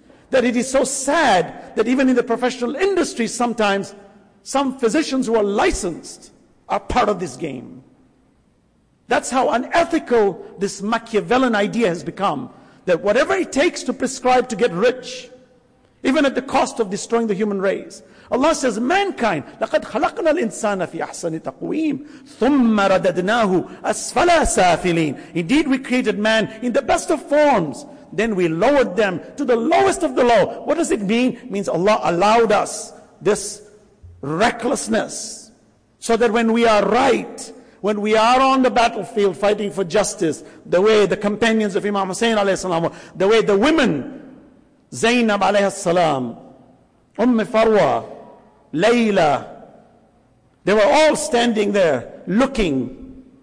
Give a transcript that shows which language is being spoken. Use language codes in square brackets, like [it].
[en] That it is so sad that even in the professional industry, sometimes some physicians who are licensed are part of this game. That's how unethical this Machiavellian idea has become. That whatever it takes to prescribe to get rich, even at the cost of destroying the human race. Allah says, mankind, [ar] لَقَدْ خَلَقْنَا الْإِنسَانَ فِي أَحْسَنِ تَقْوِيمٍ ثُمَّ رَدَدْنَاهُ أَسْفَلَ سَافِلِينَ. [en] Indeed, we created man in the best of forms. Then we lowered them to the lowest of the low. What does it mean? It means Allah allowed us this recklessness. So that when we are right, when we are on the battlefield fighting for justice, the way the companions of Imam Hussein alayhi salam, the way the women, Zainab alayhi salam, Umm Farwa, Layla, they were all standing there looking.